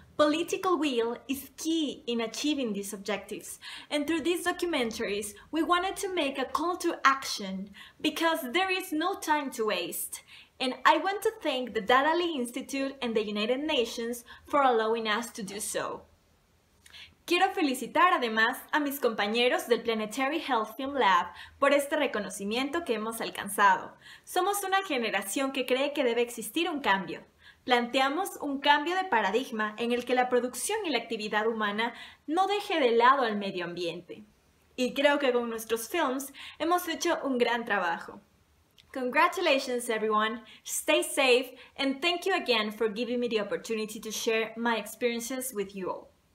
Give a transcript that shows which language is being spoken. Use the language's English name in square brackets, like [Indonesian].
[English] Political will is key in achieving these objectives. And through these documentaries, we wanted to make a call to action because there is no time to waste. And I want to thank the Dadali Institute and the United Nations for allowing us to do so. [Spanish] Quiero felicitar además a mis compañeros del Planetary Health Film Lab por este reconocimiento que hemos alcanzado. Somos una generación que cree que debe existir un cambio. Planteamos un cambio de paradigma en el que la producción y la actividad humana no deje de lado al medio ambiente. Y creo que con nuestros films hemos hecho un gran trabajo. [English] Congratulations, everyone. Stay safe and thank you again for giving me the opportunity to share my experiences with you all.